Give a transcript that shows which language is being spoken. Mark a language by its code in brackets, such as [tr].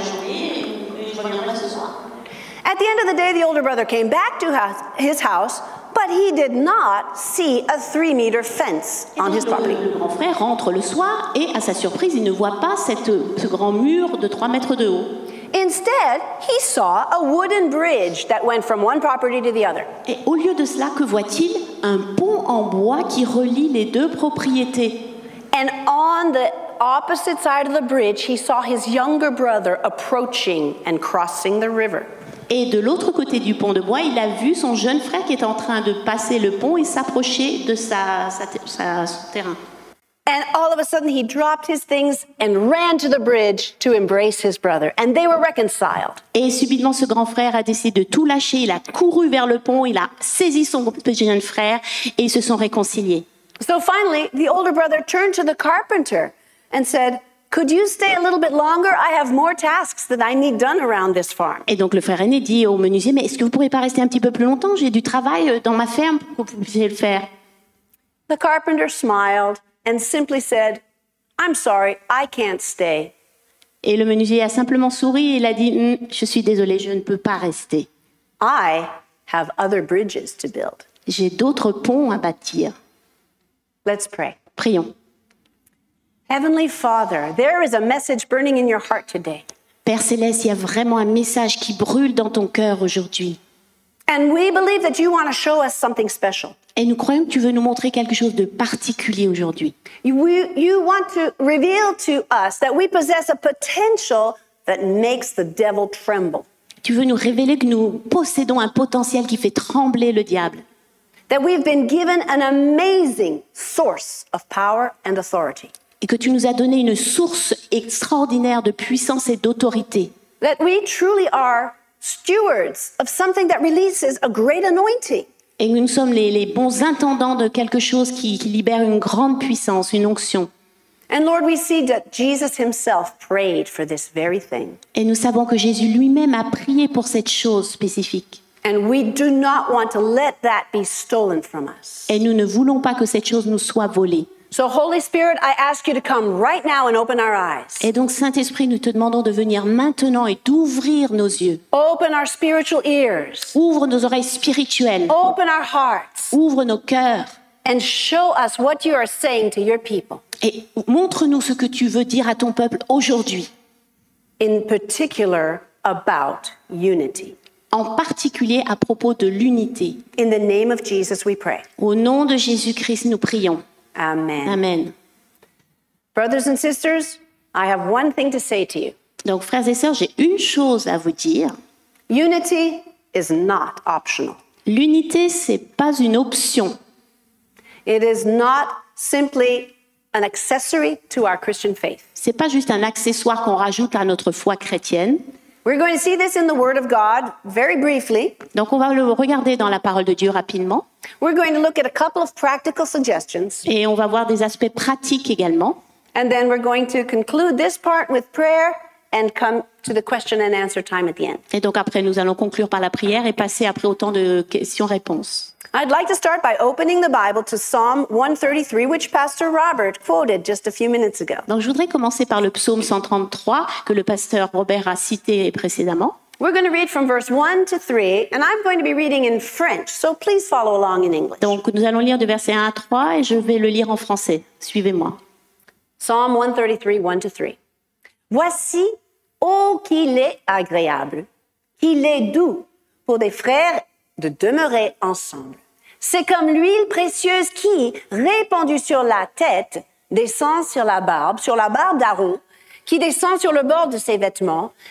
[en] At the end of the day, the older brother came back to his house, but he did not see a 3-meter fence on his property. [fr] Le grand frère rentre le soir et à sa surprise, il ne voit pas ce grand mur de 3 mètres de haut. [en] Instead, he saw a wooden bridge that went from one property to the other. [fr] Et au lieu de cela, que voit-il? Un pont en bois qui relie les deux propriétés. [en] And on the opposite side of the bridge, he saw his younger brother approaching and crossing the river. [fr] Et de l'autre côté du pont de bois, il a vu son jeune frère qui est en train de passer le pont et s'approcher de son terrain. [en] And all of a sudden, he dropped his things and ran to the bridge to embrace his brother. And they were reconciled. [fr] Et subitement, ce grand frère a décidé de tout lâcher. Il a couru vers le pont, il a saisi son petit jeune frère et ils se sont réconciliés. [en] So finally, the older brother turned to the carpenter and said, "Could you stay a little bit longer? I have more tasks that I need done around this farm." [fr] Et donc le frère aîné dit au menuisier, "Mais est-ce que vous pourriez pas rester un petit peu plus longtemps? J'ai du travail dans ma ferme pour que vous puissiez le faire." [en] The carpenter smiled and simply said, "I'm sorry, I can't stay." [fr] Et le menuisier a simplement souri et il a dit, "Je suis désolé, je ne peux pas rester. [en] I have other bridges to build." [fr] J'ai d'autres ponts à bâtir. [en] Let's pray. [fr] Prions. [en] Heavenly Father, there is a message burning in your heart today. [fr] Père Céleste, il y a vraiment un message qui brûle dans ton cœur aujourd'hui. [en] And we believe that you want to show us something special. [fr] Et nous croyons que tu veux nous montrer quelque chose de particulier aujourd'hui. [en] You want to reveal to us that we possess a potential that makes the devil tremble. [fr] Tu veux nous révéler que nous possédons un potentiel qui fait trembler le diable. [en] That we've been given an amazing source of power and authority. [fr] Et que tu nous as donné une source extraordinaire de puissance et d'autorité. [en] That we truly are stewards of something that releases a great anointing. [fr] Et nous sommes les bons intendants de quelque chose qui libère une grande puissance, une onction. [en] And Lord, we see that Jesus himself prayed for this very thing. [fr] Et nous savons que Jésus lui-même a prié pour cette chose spécifique. [en] And we do not want to let that be stolen from us. [fr] Et nous ne voulons pas que cette chose nous soit volée. [en] So Holy Spirit, I ask you to come right now and open our eyes. [fr] Et donc Saint-Esprit, nous te demandons de venir maintenant et d'ouvrir nos yeux. [en] Open our spiritual ears. [fr] Ouvre nos oreilles spirituelles. [en] Open our hearts. [fr] Ouvre nos cœurs. [en] And show us what you are saying to your people. [fr] Et montre-nous ce que tu veux dire à ton peuple aujourd'hui. [en] In particular about unity. [fr] En particulier à propos de l'unité. [en] In the name of Jesus we pray. [fr] Au nom de Jésus-Christ, nous prions. [en] Amen. [fr] Amen. [en] Brothers and sisters, I have one thing to say to you. [fr] Donc frères et sœurs, j'ai une chose à vous dire. [en] Unity is not optional. [fr] L'unité, c'est pas une option. [en] It is not simply an accessory to our Christian faith. [fr] C'est pas juste un accessoire qu'on rajoute à notre foi chrétienne. [en] We're going to see this in the Word of God very briefly. [fr] Donc on va le regarder dans la parole de Dieu rapidement. [en] We're going to look at a couple of practical suggestions. [fr] Et on va voir des aspects pratiques également. [en] And then we're going to conclude this part with prayer and come to the question and answer time at the end. [fr] Et donc après nous allons conclure par la prière et passer après au temps de questions-réponses. [en] I'd like to start by opening the Bible to Psalm 133, which Pastor Robert quoted just a few minutes ago. [fr] Donc, je voudrais commencer par le psaume 133 que le pasteur Robert a cité précédemment. [en] We're going to read from verse 1 to 3, and I'm going to be reading in French, so please follow along in English. [fr] Donc, nous allons lire de verset 1 à 3, et je vais le lire en français. Suivez-moi. [en] Psalm 133, 1 to 3. [fr] Voici, ô qu'il est agréable, qu'il est doux pour des frères de demeurer ensemble. C'est comme l'huile précieuse qui, répandue sur la tête, descend sur la barbe d'Aaron, qui descend sur le bord de ses vêtements.